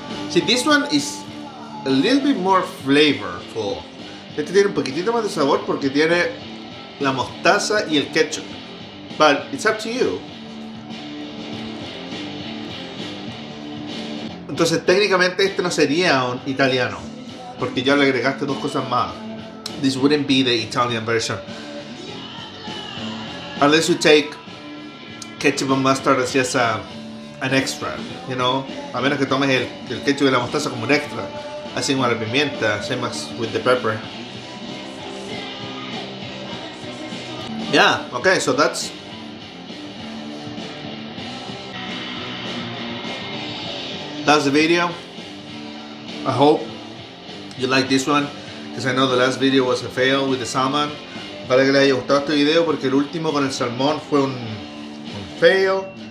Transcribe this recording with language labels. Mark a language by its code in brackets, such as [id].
[en] See, this one is a little bit more flavorful. [es] Este tiene un poquitito más de sabor porque tiene la mostaza y el ketchup. [en] But it's up to you. [es] Entonces, técnicamente este no sería un italiano. Porque ya le agregaste dos cosas más. [en] This wouldn't be the Italian version. Unless you take ketchup and mustard as just an extra, you know? [es] A menos que tomes el ketchup y la mostaza como un extra. Así como la pimienta, [en] same as with the pepper. Yeah, okay, so that's... That's the video. I hope you like this one, because I know the last video was a fail with the salmon. [es] Vale que les haya gustado este video, porque el último con el salmón fue un fail.